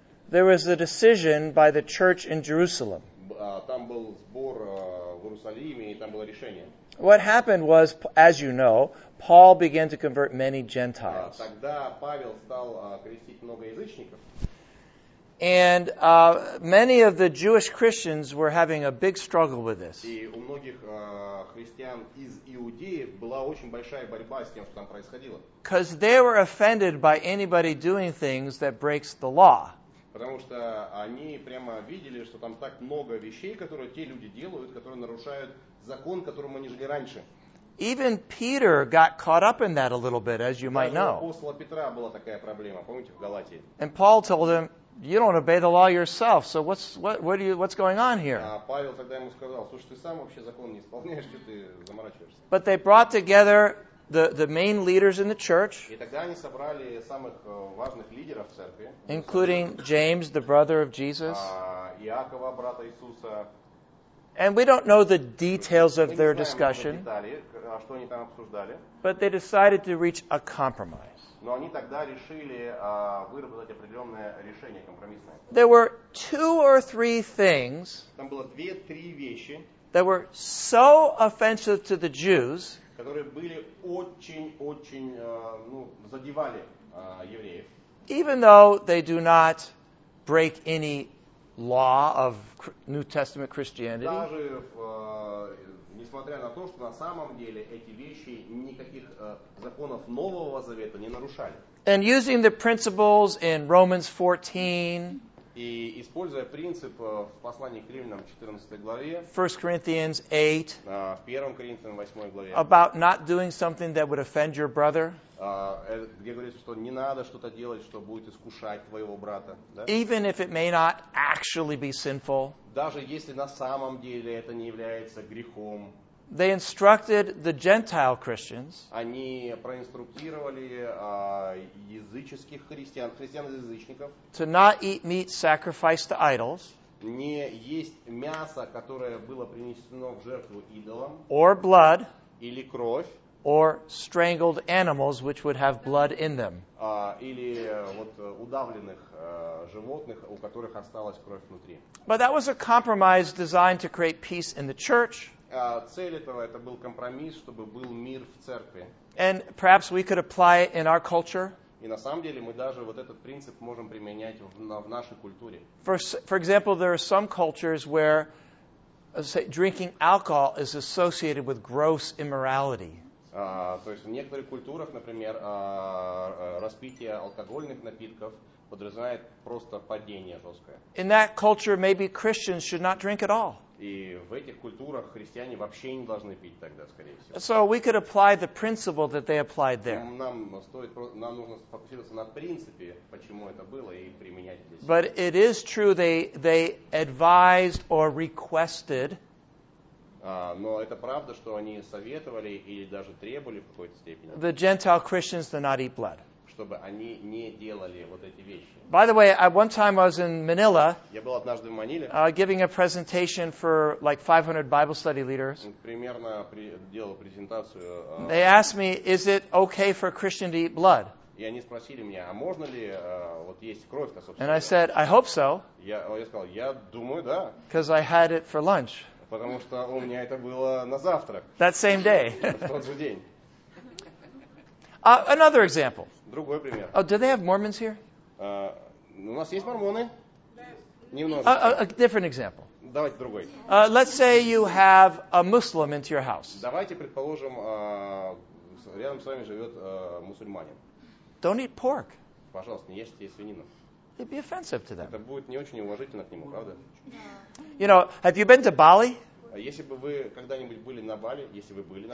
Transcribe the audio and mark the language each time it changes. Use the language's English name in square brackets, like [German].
[English] There was a decision by the church in Jerusalem. [Russian] Там был сбор в Иерусалиме, и там было решение. [English] What happened was, as you know, Paul began to convert many Gentiles. [Russian] Тогда Павел стал крестить много язычников. [English] And many of the Jewish Christians were having a big struggle with this. [Russian] И у многих христиан из Иудеи была очень большая борьба с тем, что там происходило. [English] Because they were offended by anybody doing things that breaks the law. [Russian] Потому что они прямо видели, что там так много вещей, которые те люди делают, которые нарушают закон, которому они жили раньше. [English] Even Peter got caught up in that a little bit, as you might know. [Russian] Даже у апостола Петра была такая проблема, помните, в Галатии? [English] And Paul told him, you don't obey the law yourself, so what's going on here? [Russian] Павел тогда ему сказал, слушай, ты сам вообще закон не исполняешь, что ты заморачиваешься? [English] But they brought together the main leaders in the church, [Russian] и тогда они собрали самых важных лидеров церкви, [English] including James, the brother of Jesus, [Russian] Иакова, брата Иисуса. [English] And we don't know the details of their discussion, [Russian] детали, что они там обсуждали, [English] but they decided to reach a compromise. [Russian] Но они тогда решили выработать определенное решение, компромиссное. [English] There were two or three things, [Russian] там было две-три вещи, [English] that were so offensive to the Jews, [Russian] которые были очень-очень, ну, задевали евреев. [English] Even though they do not break any law of New Testament Christianity. [Russian] Даже несмотря на то, что на самом деле эти вещи никаких законов Нового Завета не нарушали. [English] And using the principles in Romans 14. [Russian] И используя принцип в послании к Римлянам 14 главе. [English] 1 Corinthians 8. [Russian] В 1 Коринфянам 8 главе. [English] About not doing something that would offend your brother. [Russian] Где говорится, что не надо что-то делать, что будет искушать твоего брата. Да? [English] Even if it may not actually be sinful. [Russian] Даже если на самом деле это не является грехом. [English] They instructed the Gentile Christians. [Russian] Они проинструктировали языческих христиан, христиан-язычников. [English] To not eat meat sacrificed to idols. [Russian] Не есть мясо, которое было принесено в жертву идолам. [English] Or blood. [Russian] Или кровь. [English] Or strangled animals which would have blood in them. [Russian] Или вот удавленных животных, у которых осталась кровь внутри. [English] But that was a compromise designed to create peace in the church. [Russian] Цель этого, это был компромисс, чтобы был мир в церкви. [English] And perhaps we could apply it in our culture. [Russian] И на самом деле мы даже вот этот принцип можем применять в нашей культуре. [English] For example, there are some cultures where, say, drinking alcohol is associated with gross immorality. [Russian] То есть в некоторых культурах, например, распитие алкогольных напитков подразумевает просто падение жесткое. [English] In that culture, maybe Christians should not drink at all. [Russian] И в этих культурах христиане вообще не должны пить тогда, скорее всего. [English] So we could apply the principle that they applied there. [Russian] Нам нужно сфокусироваться на принципе, почему это было, и применять здесь. [English] But it is true they advised or requested. [Russian] Но это правда, что они советовали или даже требовали в какой-то степени. [English] The Gentile Christians to not eat blood. [Russian] Чтобы они не делали вот эти вещи. [English] By the way, at one time I was in Manila. [Russian] Я был однажды в Маниле. [English] Giving a presentation for like 500 Bible study leaders. [Russian] Примерно делал презентацию. [English] They asked me, is it okay for a Christian to eat blood? [Russian] И они спросили меня, а можно ли вот есть кровь-то, собственно? [English] And I said, I hope so. [Russian] Я сказал, я думаю, да. [English] Because I had it for lunch. [Russian] Потому что у меня это было на завтрак. [English] That same day. [Russian] В тот же день. [English] Another example. [Russian] Другой пример. [English] Oh, do they have Mormons here? [Russian] У нас есть мормоны. [English] A different example. [Russian] Давайте другой. [English] Let's say you have a Muslim into your house. [Russian] Давайте предположим, рядом с вами живет мусульманин. [English] Don't eat pork. [Russian] Пожалуйста, не ешьте свинину. [English] It'd be offensive to them. [Russian] Это будет не очень уважительно к нему, правда? [English] You know, have you been to Bali? [Russian] Если бы вы когда-нибудь были на Бали, если вы были на